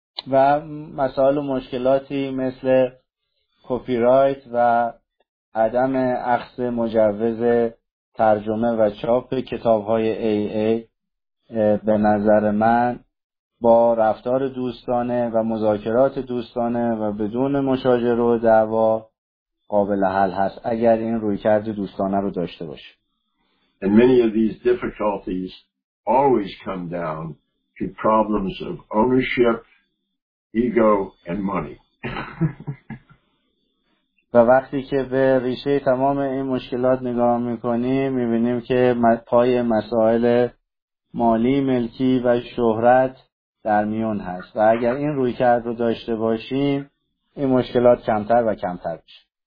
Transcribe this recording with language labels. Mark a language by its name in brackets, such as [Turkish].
[Persian] و مسائل و مشکلاتی مثل کپی رایت و عدم اخذ مجوز ترجمه و چاپ کتاب‌های AA به نظر من با رفتار دوستانه و مذاکرات دوستانه و بدون مشاجره و دعوا قابل حل هست، اگر این رویکرد دوستانه رو داشته باشه. [English] And many of these difficulties always come down to problems of ownership, ego and money. [Persian] و وقتی که به ریشه تمام این مشکلات نگاه میکنیم، میبینیم که پای مسائل مالی، ملکی و شهرت در میون هست، و اگر این رویکرد رو داشته باشیم، این مشکلات کمتر و کمتر میشه.